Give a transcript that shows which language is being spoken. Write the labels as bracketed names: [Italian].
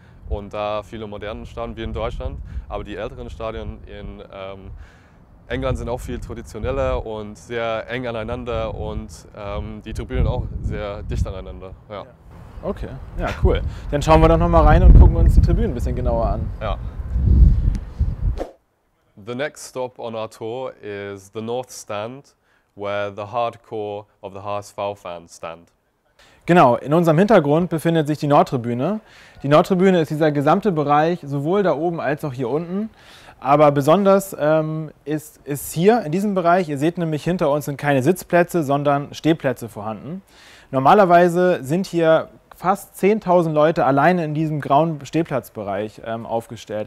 [German] Und da viele moderne Stadien wie in Deutschland, aber die älteren Stadien in England sind auch viel traditioneller und sehr eng aneinander und die Tribünen auch sehr dicht aneinander. Ja. Okay, ja, cool. Dann schauen wir doch nochmal rein und gucken uns die Tribünen ein bisschen genauer an. Ja. [English] The next stop on our tour is the North Stand, where the hardcore of the HSV fans stand. [German] Genau, in unserem Hintergrund befindet sich die Nordtribüne. Die Nordtribüne ist dieser gesamte Bereich, sowohl da oben als auch hier unten. Aber besonders ist hier in diesem Bereich, ihr seht nämlich hinter uns sind keine Sitzplätze, sondern Stehplätze vorhanden. Normalerweise sind hier fast 10.000 Leute alleine in diesem grauen Stehplatzbereich aufgestellt.